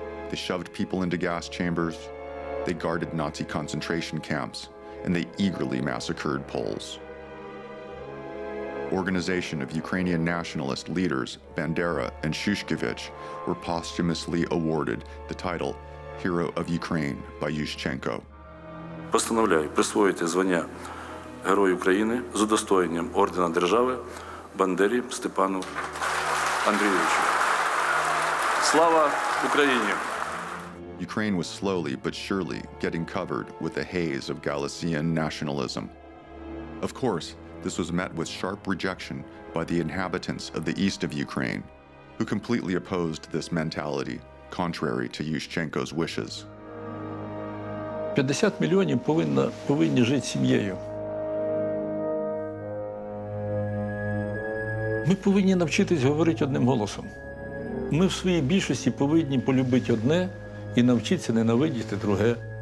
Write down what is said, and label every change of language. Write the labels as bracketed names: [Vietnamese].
[English] They shoved people into gas chambers. They guarded Nazi concentration camps, and they eagerly massacred Poles. Organization of Ukrainian nationalist leaders Bandera and Shushkevich were posthumously awarded the title Hero of Ukraine by Yushchenko. [Ukrainian] Постановляю присвоїти звання Герой України з удостоєнням ордена держави Бандері Степану Андрійовичу. Слава Україні. [English] Ukraine was slowly but surely getting covered with a haze of Galician nationalism. Of course, this was met with sharp rejection by the inhabitants of the east of Ukraine, who completely opposed this mentality, contrary to Yushchenko's wishes. [Ukrainian] 50 мільйонів повинні жити сім'єю. Ми повинні навчитись говорити одним голосом. Ми в своїй більшості повинні полюбити одне і навчитися ненавидіти друге.